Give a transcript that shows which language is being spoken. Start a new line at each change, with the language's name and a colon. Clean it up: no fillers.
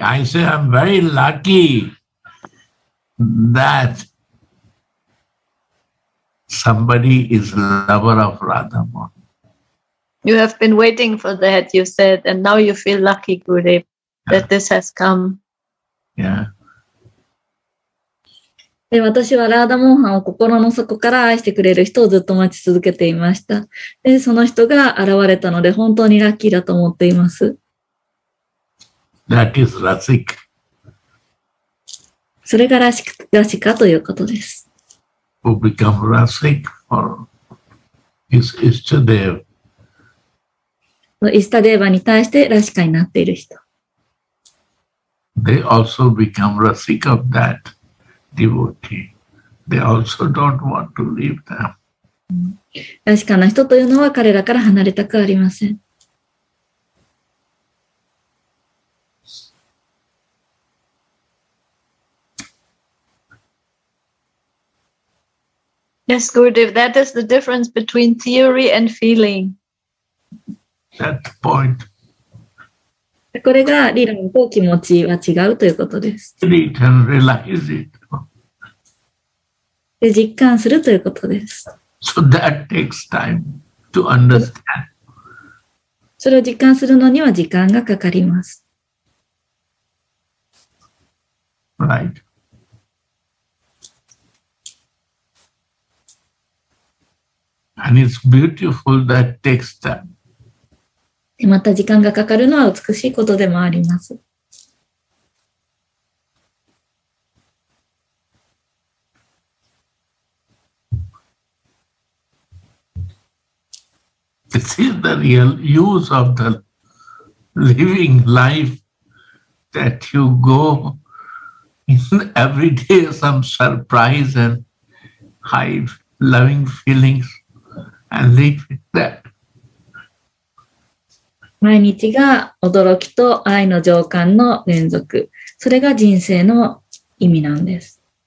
English: I say I'm very lucky that somebody is lover of Radha Mohan. You have been waiting for that, you said, and now you feel lucky, Gurudev, that this has come. Yeah.
Japanese: で、私はラーダモーハンを心の底から愛してくれる人をずっと待ち続けていました。で、その人が現れたので本当にラッキーだと思っています。
English: That is Rasika.
Japanese: それがラシカということです。
English: Who become Rasik for his Ishtadeva.
Japanese: Ishtadeva に対してラシカになっている人。
English: They also become Rasik of that devotee. They also don't want to leave them.
Japanese: ラシカの人というのは彼らから離れたくありません。
English: Yes, Gurudev, that is the difference between theory and feeling. That's the point.
Japanese: これが理論と気持ちは違うということです。
English: Read and realize it.
Japanese: で、実感するということです。
English: So that takes time to understand.
Japanese: それを実感するのには時間がかかります。
English: Right. And it's beautiful that takes time.
Japanese: また時間がかかるのは美しいことでもあります。
English: This is the real use of the living life that you go in every day some surprise and high loving feelings. And leave it there.
Japanese: 毎日が驚きと愛の情感の連続。それが人生の意味なんです。